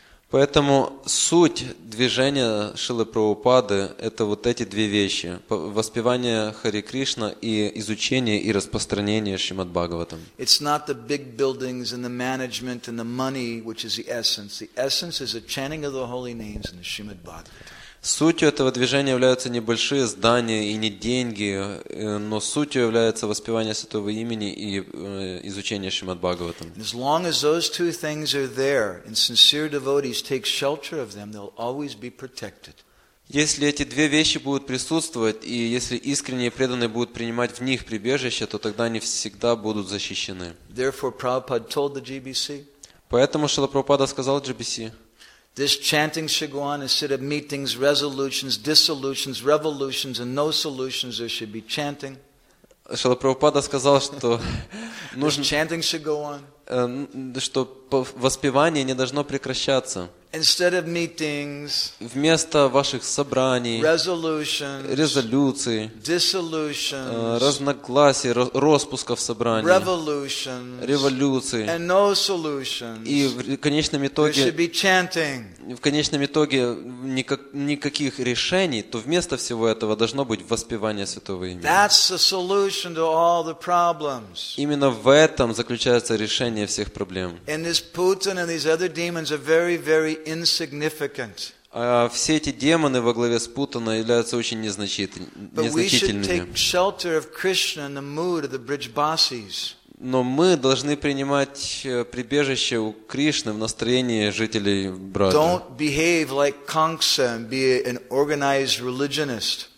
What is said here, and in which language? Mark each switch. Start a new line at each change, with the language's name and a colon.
Russian: Поэтому суть движения Шрилы Прабхупады – это вот эти две вещи. Воспевание Хари Кришна и изучение и распространение Шримад Бхагаватам.
English: It's not the big buildings and the management and the money, which is the essence. The essence is the chanting of the holy names and the Shrimad Bhagavatam.
Russian: Сутью этого движения являются не большие здания и не деньги, но сутью является воспевание святого имени и изучение Шримад Бхагаватам.
English: As long as those two things are there, and sincere devotees take shelter of them, they'll always be protected.
Russian: Если эти две вещи будут присутствовать, и если искренние преданные будут принимать в них прибежище, то тогда они всегда будут защищены.
English: Therefore, Prabhupada told the GBC.
Russian: Поэтому Шрила Прабхупада сказал GBC.
English: This chanting Shiguan instead of meetings, resolutions, dissolutions, revolutions, and no solutions, there should be chanting.
Russian: Шрила Прабхупада сказал, что нужно.
English: This chanting Shiguan.
Russian: Что воспевание не должно прекращаться.
English: Instead of meetings.
Russian: Вместо ваших собраний.
English: Resolutions.
Russian: Резолюции.
English: Dissolutions.
Russian: Разногласий, распусков собраний.
English: Revolutions.
Russian: Революции.
English: And no solutions.
Russian: И в конечном итоге.
English: There should be chanting.
Russian: В конечном итоге никаких решений, то вместо всего этого должно быть воспевание святого имени.
English: That's the solution to all the problems.
Russian: Именно в этом заключается решение всех проблем.
English: And this Putin and these other demons are very, very insignificant.
Russian: Все эти демоны во главе с Путаной являются очень незначительными.
English: But we should take shelter of Krishna and the mood of the Brijbasis.
Russian: Но мы должны принимать прибежище у Кришны в настроении жителей Брадж.
English: Don't behave like Kamsa and be an organized religionist.